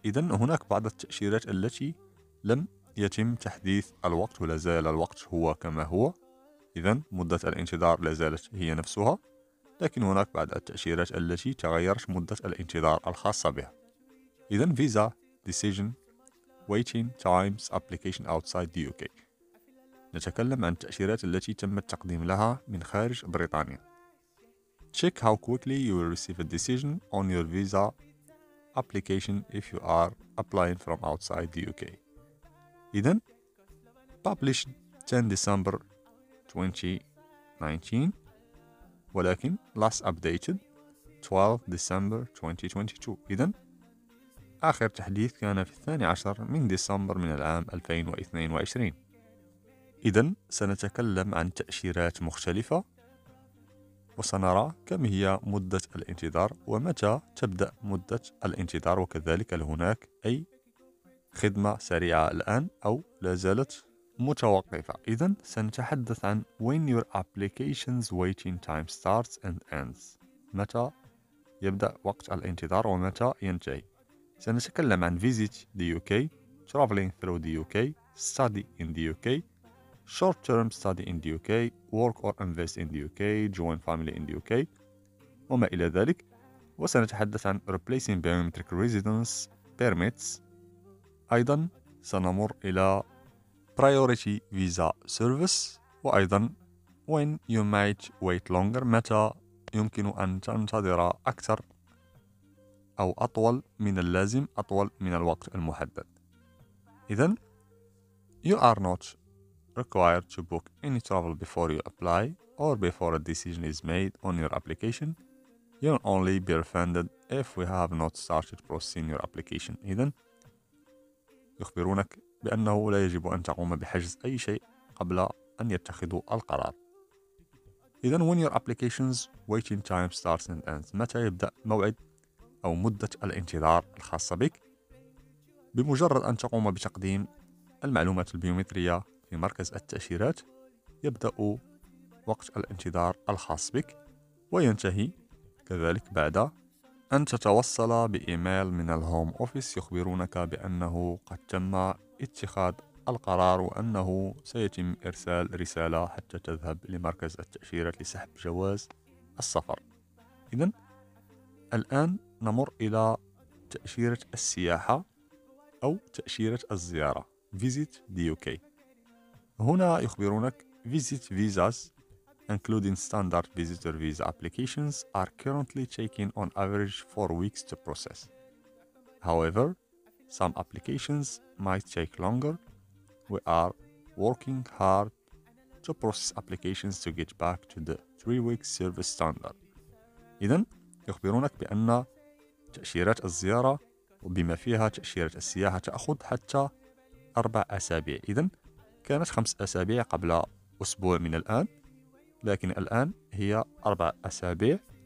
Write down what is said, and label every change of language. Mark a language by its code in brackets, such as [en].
[ar] إذن هناك بعض التأشيرات التي لم يتم تحديث الوقت ولازال الوقت هو كما هو، إذن مدة الانتظار لازالت هي نفسها، لكن هناك بعض التأشيرات التي تغيرت مدة الانتظار الخاصة بها. إذن [en] Visa Decision Waiting Times Application Outside the UK، [ar] نتكلم عن التأشيرات التي تم التقديم لها من خارج بريطانيا. [en] Check how quickly you will receive a decision on your visa application if you are applying from outside the UK. إذن Published 10 December 2019 ولكن last updated 12 December 2022. [ar] إذن آخر تحديث كان في 12 من ديسمبر من العام 2022. إذن سنتكلم عن تأشيرات مختلفة وسنرى كم هي مدة الانتظار ومتى تبدأ مدة الانتظار، وكذلك هل هناك أي خدمة سريعة الآن أو لا زالت متوقفة. إذن سنتحدث عن [en] When your application's waiting time starts and ends، [ar] متى يبدأ وقت الانتظار ومتى ينتهي. سنتكلم عن [en] Visit the UK، Traveling through the UK، Study in the UK، Short term study in the UK، Work or invest in the UK، Join family in the UK [ar] وما إلى ذلك. وسنتحدث عن [en] Replacing biometric residence permits. [ar] أيضا سنمر إلى [en] Priority Visa Service، [ar] وأيضا [en] When you might wait longer، [ar] متى يمكن أن تنتظر أكثر أو أطول من اللازم، أطول من الوقت المحدد. [en] إذن You are not required to book any travel before you apply or before a decision is made on your application. You'll only be refunded if we have not started processing your application. [ar] إذن يخبرونك بأنه لا يجب أن تقوم بحجز أي شيء قبل أن يتخذوا القرار. إذن [en] when your application's waiting time starts and ends، [ar] متى يبدأ موعد أو مدة الانتظار الخاصة بك؟ بمجرد أن تقوم بتقديم المعلومات البيومترية في مركز التأشيرات يبدأ وقت الانتظار الخاص بك، وينتهي كذلك بعد أن تتوصل بإيميل من الهوم أوفيس يخبرونك بأنه قد تم اتخاذ القرار وأنه سيتم إرسال رسالة حتى تذهب لمركز التأشيرات لسحب جواز السفر. إذن الآن نمر إلى تأشيرة السياحة أو تأشيرة الزيارة Visit the UK. هنا يخبرونك [en] Visit Visas including standard visitor visa applications are currently taking on average 4 weeks to process. However, some applications might take longer. We are working hard to process applications to get back to the 3 week service standard. [ar] إذن يخبرونك بأن تأشيرات الزيارة وبما فيها تأشيرات السياحة تأخذ حتى 4 أسابيع. إذن كانت 5 أسابيع قبل أسبوع من الآن، لكن الآن هي 4 أسابيع.